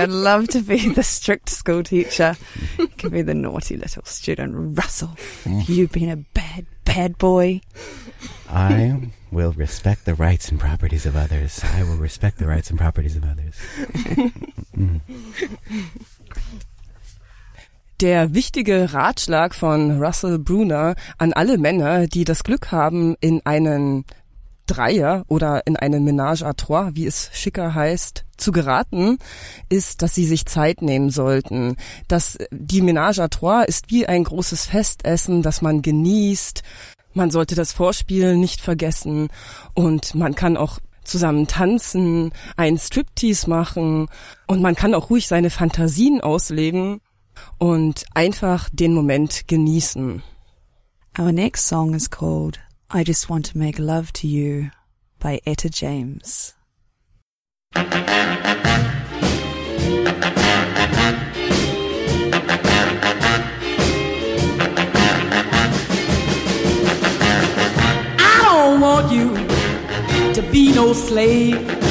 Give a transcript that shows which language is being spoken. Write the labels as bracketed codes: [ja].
[en] I'd love to be the strict school teacher. Could be the naughty little student. Russell, you've been a bad, bad boy. I will respect the rights and properties of others. I will respect the rights and properties of others. [de] Der wichtige Ratschlag von Russell Bruner an alle Männer, die das Glück haben, in einen Dreier oder in eine Ménage à trois, wie es schicker heißt, zu geraten, ist, dass sie sich Zeit nehmen sollten. Dass die Ménage à trois ist wie ein großes Festessen, das man genießt. Man sollte das Vorspiel nicht vergessen und man kann auch zusammen tanzen, einen Striptease machen und man kann auch ruhig seine Fantasien ausleben und einfach den Moment genießen. [en] Our next song is called I Just Want to Make Love to You by Etta James. I don't want you to be no slave.